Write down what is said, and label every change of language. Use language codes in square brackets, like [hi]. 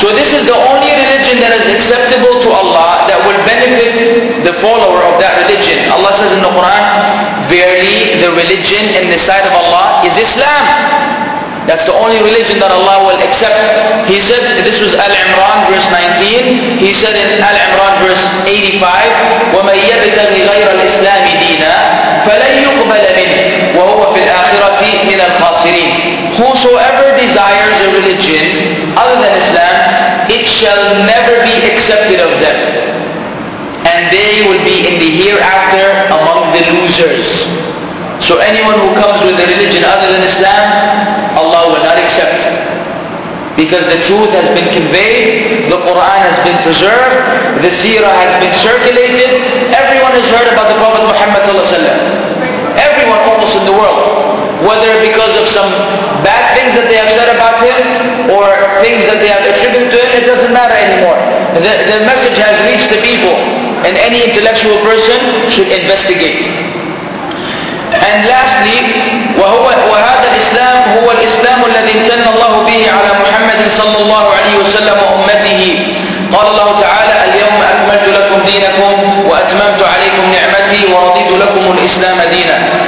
[en] So this is the only religion that is acceptable to Allah that will benefit the follower of that religion. Allah says in the Quran, verily the religion in the sight of Allah is Islam. That's the only religion that Allah will accept. He said, this was Al-Imran verse 19. He said in Al-Imran verse 85, [ar] وَمَنْ يَبْتَغِ غَيْرَ الْإِسْلَامِ دِينًا فَلَنْ يُقْبَلَ مِنْهُ وَهُوَ فِي الْآخِرَةِ مِنَ الْخَاسِرِينَ. [en] Whosoever desires a religion other than Islam, it shall never be accepted of them. And they will be in the hereafter among the losers. So anyone who comes with a religion other than Islam, Allah will not accept it. Because the truth has been conveyed, the Quran has been preserved, the seerah has been circulated, everyone has heard about the Prophet Muhammad ﷺ. Everyone almost in the world. Whether because of some bad things that they have said about him, or things that they have attributed to him, it doesn't matter anymore. The message has reached the people, and any intellectual person should investigate. And lastly, [ar] وَهَذَا الْإِسْلَامُ هُوَ الْإِسْلَامُ الَّذِي امْتَنَّ اللَّهُ بِهِ عَلَى مُحَمَّدٍ صَلَّى اللَّهُ عَلَيْهِ وَسَلَّمَ وَأُمَّتِهِ. قال الله تعالى: اليوم أكملت لكم دينكم وأتممت عليكم نعمتي ورضيت لكم الإسلام دينا.